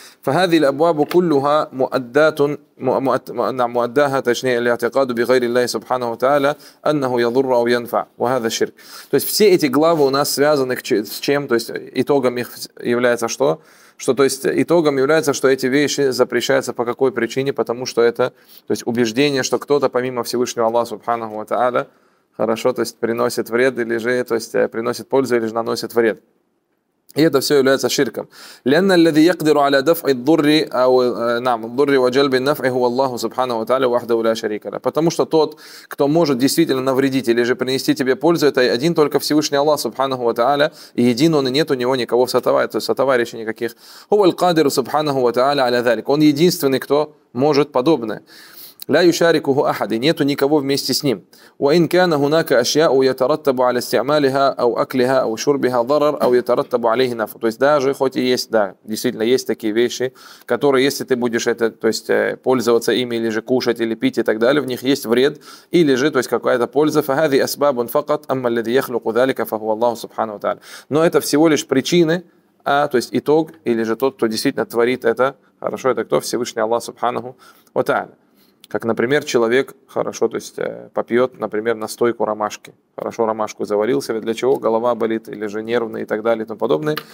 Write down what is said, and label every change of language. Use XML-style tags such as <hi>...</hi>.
<ar>فهذه الأبواب كلها مؤدات مؤداها точнее الاعتقاد بغير الله سبحانه وتعالى أنه يضر أو ينفع وهذا الشرك.</ar> <ru>То есть все эти главы у нас связаны с чем? То есть итогом их является что? Что то есть итогом является, что эти вещи запрещаются по какой причине? Потому что это то есть убеждение, что кто-то помимо Всевышнего Аллаха</ru> <ar>سبحانه وتعالى</ar> <ru>хорошо, то есть приносит вред или же то есть приносит пользу или же наносит вред. И это все является ширком.</ru> <ar>لأن الذي يقدر على دفع الضر أو نعم الضر وجلب النفع هو الله سبحانه وتعالى وحده لا شريك له.</ar> <ru>Потому что тот, кто может действительно навредить или же принести тебе пользу, это один только Всевышний Аллах</ru> <ar>سبحانه وتعالى.</ar> <ru>И един он и нет у него никого сотоварищей никаких.</ru> <ar>هو القادر سبحانه وتعالى على ذلك.</ar> <ru>Он единственный, кто может подобное.</ru> <ar>لا يشاركه أحد.</ar> <ru>Нету никого вместе с ним.</ru> <ar>وإن كان هناك أشياء يترتب على استعمالها أو أكلها أو شربها ضرر أو يترتب عليه نفع.</ar> <ru>То есть даже хоть и есть, да, действительно есть такие вещи, которые если ты будешь это, то есть пользоваться ими или же кушать или пить и так далее, в них есть вред или же, то есть какая-то польза.</ru> <ar>فهذه أسباب فقط أما الذي يخلق ذلك فهو الله سبحانه وتعالى.</ar> <ru>Но это всего лишь причины, а то есть итог или же тот, кто действительно творит это, хорошо, это кто? Всевышний Аллах</ru> <ar>سبحانه وتعالى.</ar> <ru>Как, например, человек хорошо, то есть попьет, например, настойку ромашки. Хорошо ромашку заварил себе, для чего голова болит или же нервные и так далее и тому подобное.</ru>